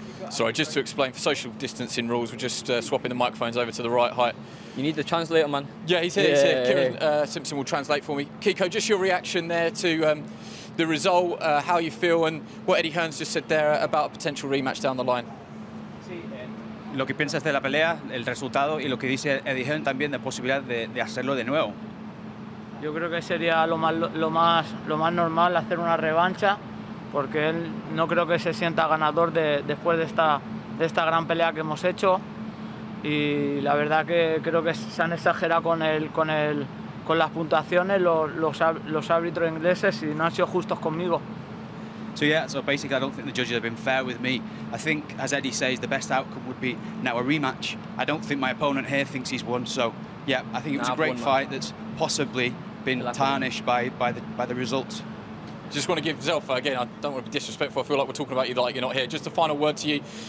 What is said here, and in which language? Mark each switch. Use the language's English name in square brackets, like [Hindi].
[English] Sorry, just to explain, for social distancing rules, we're just swapping the microphones over to the right height. You need the translator, man. Yeah, he's here. Kieran Simpson will translate for me. Kiko, just your reaction there to the result, how you feel, and what Eddie Hearn's just said there about a potential rematch down the line. [Spanish] Lo que piensas de la pelea, el resultado, y lo que dice Eddie Hearn también de posibilidad de hacerlo de nuevo. Yo creo que sería lo más normal hacer una revancha, porque él no creo que se sienta ganador después de esta gran pelea que hemos hecho. Y la verdad que creo que se han exagerado con las puntuaciones los árbitros ingleses y no han sido justos conmigo. [English] So yeah, so basically I don't think the judges have been fair with me. I think, as Eddie says, the best outcome would be now a rematch. I don't think my opponent here thinks he's won. So yeah, I think it was a great fight that's possibly been tarnished by the results. Just want to give Zelfa, again, I don't want to be disrespectful, I feel like we're talking about you like you're not here. Just a final word to you.